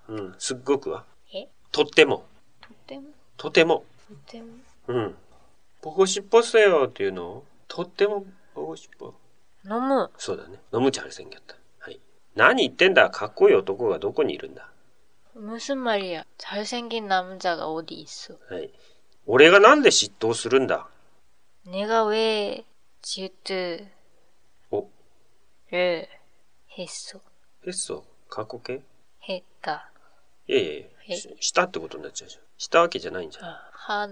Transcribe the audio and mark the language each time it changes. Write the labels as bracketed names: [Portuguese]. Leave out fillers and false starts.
[Japanese] うん、すっごくは。え？とっても。とっても。とても。とても。うん。 [Korean] 보고싶었어요 [Japanese] っていうの。とっても [Korean] 보고싶어。 [Japanese] 飲む。そうだね。飲む [Korean] 잘생겼다。 [Japanese] はい。何言ってんだ。かっこいい男がどこにいるんだ。 [Korean] 무슨말이야잘생긴남자가어디있어 [Japanese] はい。俺がなんで嫉妬するんだ [Korean] 내가왜질투를했어 했어過去形 했다。 [Japanese] いやいや、したってことになっちゃうじゃん。したわけじゃないんじゃん。